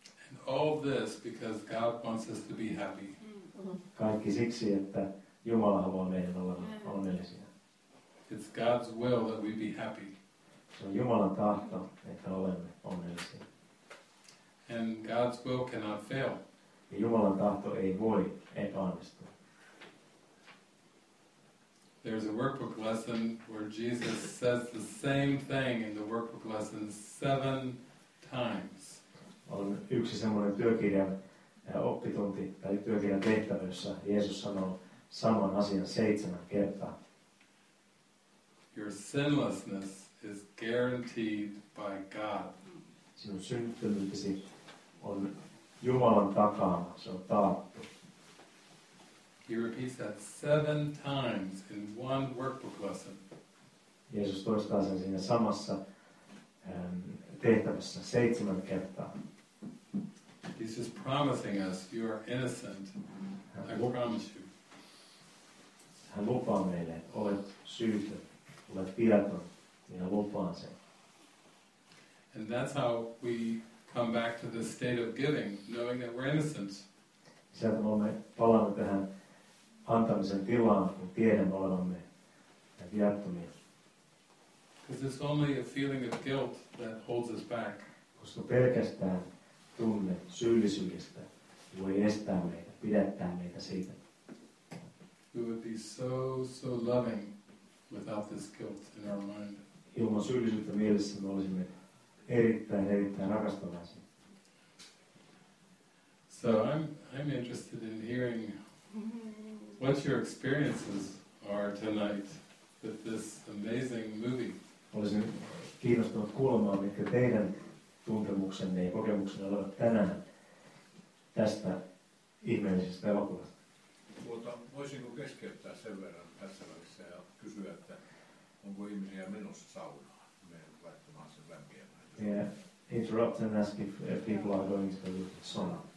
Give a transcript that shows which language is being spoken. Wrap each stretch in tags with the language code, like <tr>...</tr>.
<en>And all this because God wants us to be happy.</en> <fi>Kaikki siksi, että Jumala haluaa meidän olla onnellisia.</fi> <en>It's God's will that we be happy.</en> <fi>Se on Jumalan tahto, että olemme onnellisia.</fi> <en>And God's will cannot fail.</en> <fi>Ja Jumalan tahto ei voi epäonnistua.</fi> <en>There's a workbook lesson where Jesus says the same thing in the workbook lesson 7 times.</en> <fi>On yksi semmoinen työkirjan oppitunti tai työkirjan tehtävä, jossa Jeesus sanoo saman asian 7 kertaa.</fi> <en>Your sinlessness is guaranteed by God.</en> <fi>Sinun synnyttömyytesi on Jumalan takana, se on taattu.</fi> <en>He repeats that 7 times in one workbook lesson.</en> <fi>Jeesus toistaa sen siinä samassa tehtävässä 7 kertaa.</fi> <en>He's just promising us, you are innocent, I promise you.</en> <fi>Hän lupaa meille, olet syytön, olet viaton, minä lupaan sen.</fi> <en>And that's how we come back to the state of giving, knowing that we're innocent.</en> <fi>Sieltä me palaamme tähän antamisen tilaan, kun tiedämme olevamme viattomia.</fi> <en>Because it's only a feeling of guilt that holds us back.</en> <fi>Koska pelkästään tunne syyllisyydestä voi estää meitä, pidättää meitä siitä.</fi> <en>We would be so loving without this guilt in our mind.</en> <fi>Ilman syyllisyyttä mielessä me olisimme erittäin rakastavaisia.</fi> <en>So I'm interested in hearing what your experiences are tonight with this amazing movie.</en> <fi>Olisin kiinnostunut kuulemaan, mitkä teidän tuntemuksenne ja kokemuksenne olivat tänään tästä ihmeellisestä elokuvasta. Mutta voisinko keskeyttää sen verran tässä välissä ja kysyä, että onko ihmisiä menossa saunaan? Me laittamaan sen lämpiä.</fi> <en>Yeah, interrupt and ask if people are going to the sauna.</en>